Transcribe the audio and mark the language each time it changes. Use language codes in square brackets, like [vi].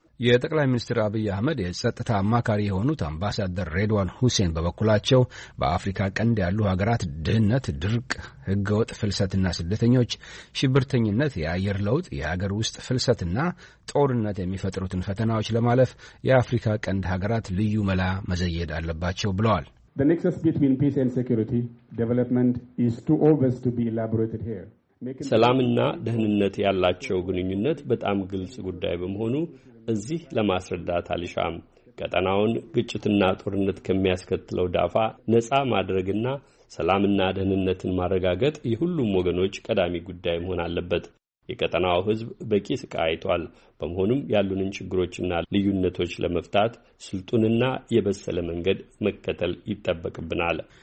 [am] የጠቅላይ ሚኒስትር አብይ አህመድ የጸጥታ አማካሪ የሆኑት አምባሳደር ሬድዋን ሁሴን በበኩላቸው በአፍሪካ ቀንድ ያሉ ሀገራት ድህነት፣ ድርቅ፣ ህገወጥ ፍልሰትና ስደተኞች፣ ሽብርተኝነት፣ የአየር ለውጥ፣ የሀገር ውስጥ ፍልሰትና ጦርነት የሚፈጥሩትን ፈተናዎች ለማለፍ የአፍሪካ ቀንድ ሀገራት ልዩ መላ መዘየድ አለባቸው ብለዋል። [en] The nexus between peace and security development is too obvious to be elaborated here. [am] ሰላምና ደህንነት ያላቸው ግንኙነት በጣም ግልጽ ጉዳይ በመሆኑ እዚህ ለማስረዳት አልሻም። ቀጠናውን ግጭትና ጦርነት ከሚያስከትለው ዳፋ ነፃ ማድረግና ሰላምና ደህንነትን ማረጋገጥ የሁሉም ወገኖች ቀዳሚ ጉዳይ መሆን አለበት። የቀጠናው ህዝብ በቂ ስቃይ አይቷል። በመሆኑም ያሉንን ችግሮችና ልዩነቶች ለመፍታት ስልጡንና የበሰለ መንገድ መከተል ይጠበቅብናል።